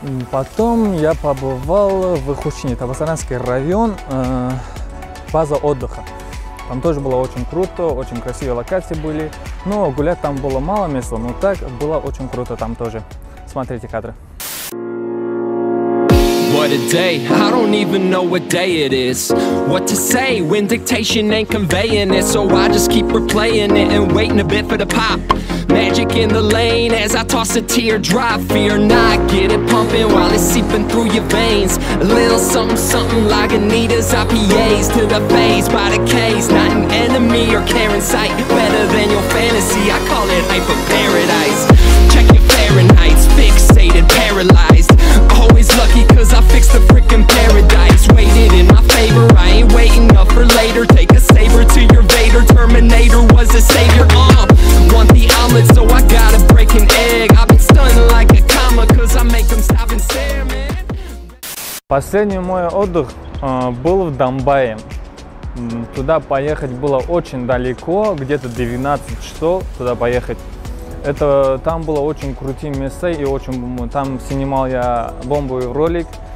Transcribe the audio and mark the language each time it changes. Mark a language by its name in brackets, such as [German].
[Russian] Потом я побывал в Хучине, Табасаранский район, база отдыха. Там тоже было очень круто, очень красивые локации были. Но гулять там было мало места, но так было очень круто там тоже. Смотрите кадры. [English] What a day, I don't even know what day it is. What to say when dictation ain't conveying it. So I just keep replaying it and waiting a bit for the pop. Magic in the lane as I toss a teardrop. Fear not, get it pumping while it's seeping through your veins. A little something, something like Anita's IPAs. To the phase by the case, not an enemy or caring sight. Better than your fantasy, I call it hyper paradise. Check your Fahrenheit, fixated, paralyzed. Always lucky cause I fixed the freaking paradise. Waited in my favor, I ain't waiting up for later. Take a saber to your Vader, Terminator was a savior. Want the omelet, so I gotta break an egg. I've been stunned like a comma, cause I make them stop and stare, man. [Russian] Последний мой отдых был в Домбае. Туда поехать было очень далеко, где-то 12 часов туда поехать. Это там было очень крутые места и очень там снимал я бомбовый ролик.